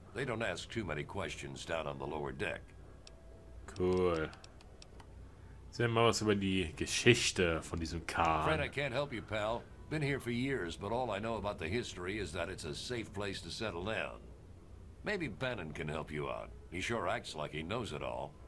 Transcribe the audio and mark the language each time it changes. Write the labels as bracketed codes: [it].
[en] They don't ask too many questions down on the lower deck. Cool. [de] Sehen wir mal was über die Geschichte von diesem Kahn. [en] Fred, I can't help you, pal. Been here for years, but all I know about the history is that it's a safe place to settle down. Maybe Bannon can help you out. He sure acts like he knows it all.